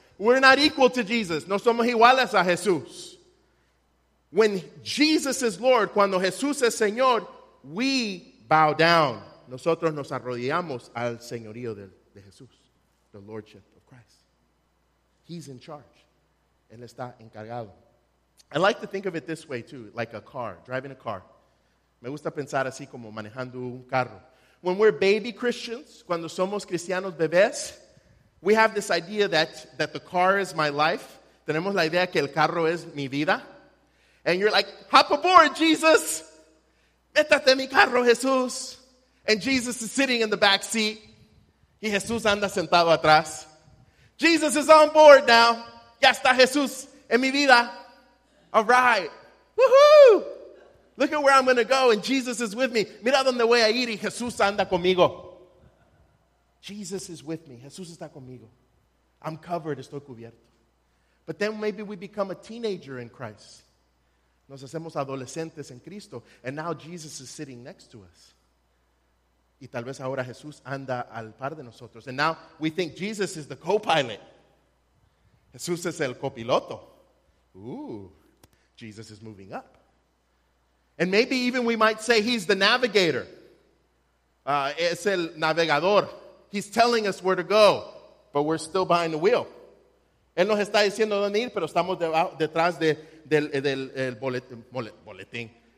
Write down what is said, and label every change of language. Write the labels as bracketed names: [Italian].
[English] We're not equal to Jesus. [Spanish] No somos iguales a Jesús. [English] When Jesus is Lord, [Spanish] cuando Jesús es Señor, [English] we bow down. [Spanish] Nosotros nos arrodillamos al Señorío de Jesús, [English] the Lordship of Christ. He's in charge. [Spanish] Él está encargado. [English] I like to think of it this way too, like a car, driving a car. [Spanish] Me gusta pensar así como manejando un carro. [English] When we're baby Christians, [Spanish] cuando somos cristianos bebés, [English] we have this idea that the car is my life. [Spanish] Tenemos la idea que el carro es mi vida. [English] And you're like, hop aboard, Jesus. [Spanish] Métate mi carro, Jesús. [English] And Jesus is sitting in the back seat. [Spanish] Y Jesús anda sentado atrás. [English] Jesus is on board now. [Spanish] Ya está Jesús en mi vida. All right. Woohoo! [English] Look at where I'm going to go and Jesus is with me. [Spanish] Mira donde voy a ir y Jesús anda conmigo. [English] Jesus is with me. [Spanish] Jesús está conmigo. [English] I'm covered. [Spanish] Estoy cubierto. [English] But then maybe we become a teenager in Christ. [Spanish] Nos hacemos adolescentes en Cristo. [English] And now Jesus is sitting next to us. [Spanish] Y tal vez ahora Jesús anda al par de nosotros. [English] And now we think Jesus is the co-pilot. [Spanish] Jesús es el copiloto. [English] Ooh. Jesus is moving up. And maybe even we might say he's the navigator. [Spanish] Es el navegador. [English] He's telling us where to go, but we're still behind the wheel. [Spanish] Él nos está diciendo dónde ir, pero estamos detrás del boletín.